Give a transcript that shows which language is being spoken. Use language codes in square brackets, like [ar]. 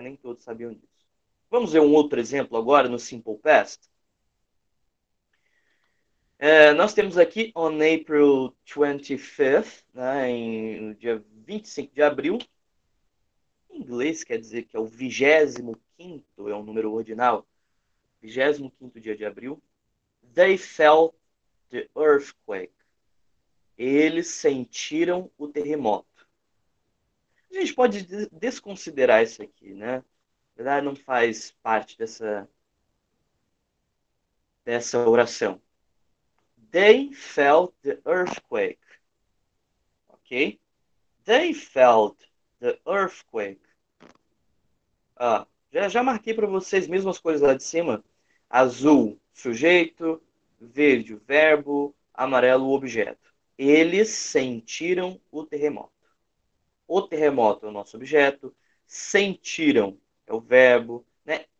[pt] Nem todos sabiam disso. Vamos ver um outro exemplo agora no Simple Past? Nós temos aqui, [en] on April 25th, [pt] né? No dia 25 de abril. Em inglês quer dizer que é o 25º, é um número ordinal. 25º dia de abril. [en] They felt the earthquake. [pt] Eles sentiram o terremoto. A gente pode desconsiderar isso aqui, né? Na verdade, não faz parte dessa oração. [en] They felt the earthquake. Ok? They felt the earthquake. [pt] Ah, já marquei para vocês mesmo as cores lá de cima. Azul, sujeito. Verde, verbo. Amarelo, objeto. Eles sentiram o terremoto. O terremoto é o nosso objeto. Sentiram é o verbo, né?